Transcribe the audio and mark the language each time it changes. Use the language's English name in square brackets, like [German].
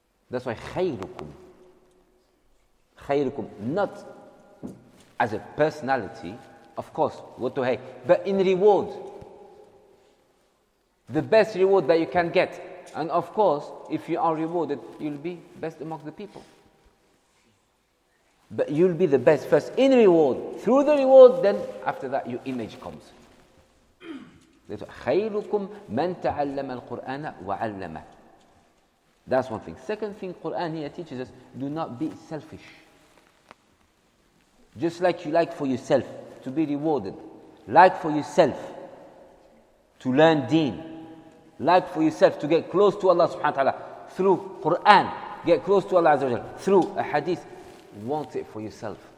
[English] That's why خيركم. خيركم, not as a personality, of course, what to hey, but in reward. The best reward that you can get. And of course, if you are rewarded, you'll be best among the people. But you'll be the best first in reward, through the reward, then after that your image comes. [Arabic] خيركم من تعلم القرآن وعلمه. [English] That's one thing. Second thing, Quran here teaches us, do not be selfish. Just like you like for yourself to be rewarded, like for yourself to learn deen, like for yourself to get close to Allah subhanahu wa ta'ala through Quran, get close to Allah azza wa jal through a hadith, want it for yourself.